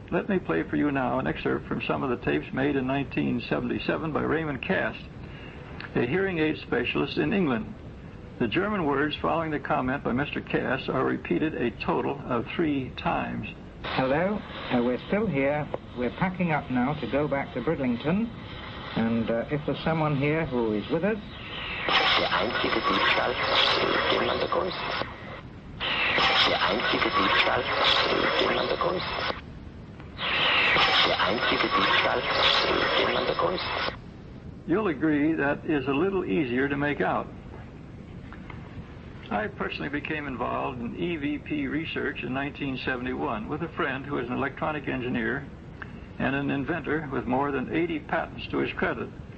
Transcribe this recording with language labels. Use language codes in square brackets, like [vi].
[en] Let me play for you now an excerpt from some of the tapes made in 1977 by Raymond Cast, a hearing aid specialist in England. The German words following the comment by Mr. Cass are repeated a total of 3 times. Hello, we're still here. We're packing up now to go back to Bridlington. And if there's someone here who is with us. [de] Der einzige Diebstahl, den man begrüßt. Der einzige Diebstahl, den man begrüßt. Der einzige Diebstahl, den man begrüßt. [en] You'll agree that is a little easier to make out. I personally became involved in EVP research in 1971 with a friend who is an electronic engineer and an inventor with more than 80 patents to his credit.